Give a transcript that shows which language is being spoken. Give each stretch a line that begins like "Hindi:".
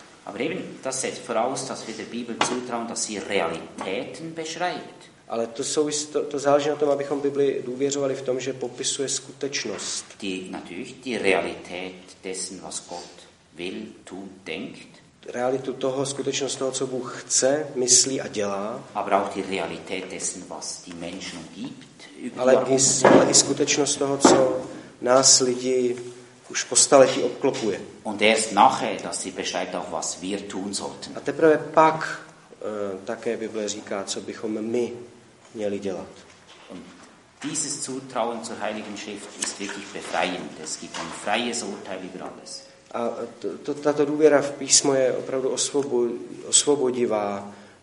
German: Aber eben, das setzt voraus, dass wir der Bibel zutrauen, dass sie Realitäten beschreibt.
Czech: Ale to, to záleží na tom, abychom Bibli důvěřovali v tom, že popisuje skutečnost.
German: Die, natürlich, die Realität dessen, was Gott will, tun, denkt.
Czech: Realitu toho, skutečnost toho, co Bůh chce, myslí a dělá.
German: Aber auch die Realität dessen, was die Menschen umgibt.
Czech: Ale i skutečnost toho, co nás lidi už po staletí obklopuje.
German: Und erst nachher, dass sie beschreibt auch, was wir tun sollten.
Czech: A teprve pak také Bible říká, co bychom my měli dělat.
German: Und dieses Zutrauen zur Heiligen Schrift ist wirklich befreiend. Es gibt ein freies Urteil über alles.
Czech: A tato důvěra v písmo je opravdu osvobodivá.